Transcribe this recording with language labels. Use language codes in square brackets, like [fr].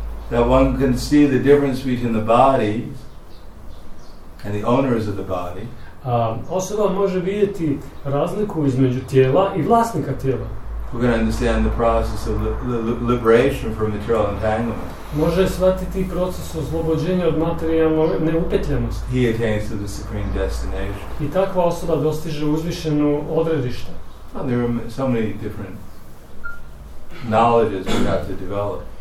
[en] That one can see the difference between the bodies and the owners of the body. [bs] Osoba može vidjeti razliku između tijela i vlasnika tijela. [en] We can understand the process of liberation from material entanglement. [bs] Može shvatiti proces oslobođenja od materijalne neupetljenosti. [en] He attains to the supreme destination. [bs] I takva osoba dostiže uzvišenu odredište. [en] Well, there are so many different knowledges we have to develop.